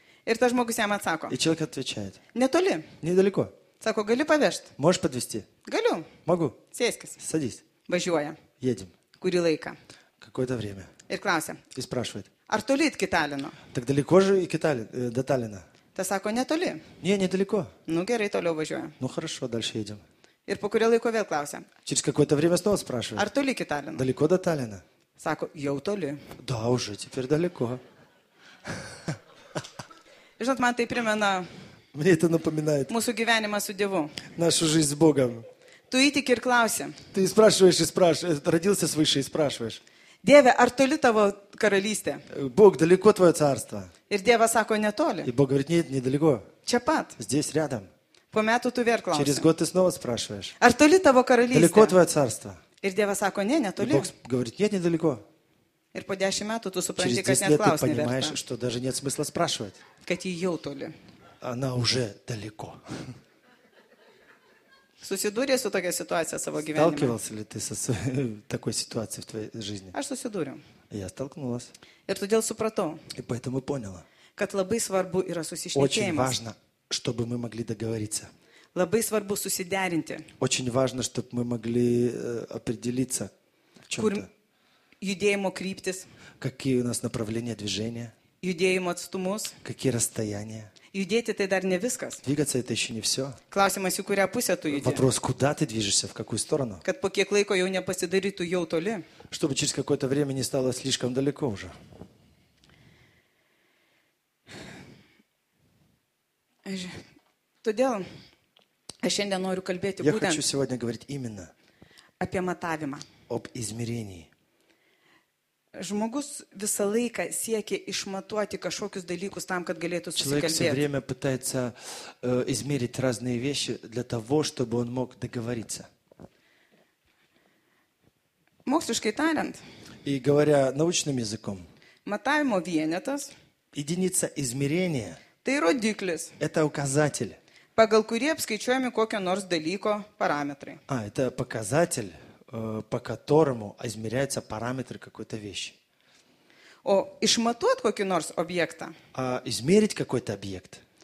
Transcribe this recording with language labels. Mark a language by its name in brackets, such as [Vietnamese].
[Lithuanian] Ir tas žmogus jam atsako. [Russian] И человек отвечает. [Lithuanian] Netoli. [Russian] Недалеко. [Lithuanian] Sako, gali pavežti. [Russian] Можешь подвезти? [Lithuanian] Galiu. [Russian] Могу. Сейскас. Садись. [Lithuanian] Važiuoja. [Russian] Едем. [Lithuanian] Kurį laiką. [Russian] Какое-то время. [Lithuanian] Ir klausia. [Russian] И спрашивает. [Lithuanian] Ar toli iki Таллино? [Russian] Так далеко же iki до Таллина. [Lithuanian] Tas sako, netoli. [Russian] Не, недалеко. [Lithuanian] Ну, gerai, toliau važiuoja. [Russian] Ну, хорошо, дальше едем. [Lithuanian] Ir po kurio laiko vėl klausia. [Russian] Через какое-то время снова спрашивает. [Lithuanian] Ar toli iki Таллино? [Russian] Далеко до Таллина. [Lithuanian] Sako, jau toli. [Russian] Да, уже, теперь далеко. [Lithuanian] Žinot, man tai primena... [Russian] Мне это напоминает. [Lithuanian] Mūsų gyvenimą su Dievu. [Russian] Нашу жизнь с Богом. [Lithuanian] Tu įtiki ir klausi. [Russian] Ты спрашиваешь и спрашиваешь. Родился свыше и спрашиваешь. [Lithuanian] Dieve, ar toli tavo karalystė? [Russian] Бог, далеко твое царство? [Lithuanian] Ir Dievas sako, netoli. [Russian] И Бог говорит, нет, недалеко. [Lithuanian] Čia pat. [Russian] Здесь рядом. [Lithuanian] По metų tu vėl klausi. [Russian] Через год ты снова спрашиваешь. [Lithuanian] Ar toli tavo karalystė? [Russian] Далеко твое царство? [Lithuanian] Ir Dievas sako, не, netoli. [Russian] И Бог говорит, нет, недалеко. [Lithuanian] Ir po 10 metų tu supranti, kad net klausi [Russian] Через 10 лет ты понимаешь, что даже нет смысла спрашивать. [Lithuanian] Kad ji jau toli. [Russian] Она уже далеко. [Lithuanian] Susidūrė su tokia situacija savo gyvenime? [Russian] Сталкивался ли ты со такой ситуацией в твоей жизни? [Lithuanian] Aš susidūriau. [Russian] Я столкнулась. [Lithuanian] Ir todėl supratau. [Russian] И поэтому поняла. [Lithuanian] Kad labai svarbu yra susišnekėjimas. [Russian] Очень важно, чтобы мы могли договориться. [Lithuanian] Labai svarbu susiderinti. [Russian] Очень важно, чтобы мы могли определиться в чем-то. [Lithuanian] Kur judėjimo kryptis. [Russian] Какие у нас направления движения. [Lithuanian] Judėjimo atstumus. [Russian] Какие расстояния. [Lithuanian] Judėti tai dar ne viskas. [Russian] Двигаться это еще не все. [Lithuanian] Klausimas, į kurią pusę tu judi. [Russian] Вопрос, куда ты движешься, в какую сторону. [Lithuanian] Kad po kiek laiko jau nepasidarytų jau toli. [Russian] Чтобы через какое-то время не стало слишком далеко уже. [Lithuanian] Todėl aš šiandien noriu kalbėti [Russian] я [Lithuanian] būtent. [Russian] Я хочу сегодня говорить именно. [Lithuanian] Apie matavimą. [Russian] Об измерении. [Lithuanian] Žmogus visą laiką siekia išmatuoti kažkokius dalykus tam, kad galėtų susikalbėti. [Russian] Человек все время пытается измерить разные вещи для того, чтобы он мог договориться. [Lithuanian] Moksliškai tariant. [Russian] И говоря научным языком, [Lithuanian] matavimo vienetas, [Russian] единица измерения, [Lithuanian] tai rodiklis, [Russian] это указатель, [Lithuanian] pagal kurį apskaičiuojami kokio nors dalyko parametrai. [Russian] А, это показатель, по которому измеряются параметры какой-то вещи. [Lithuanian] O išmatuoti kokį nors objektą, [Russian] а, измерить какой-то объект,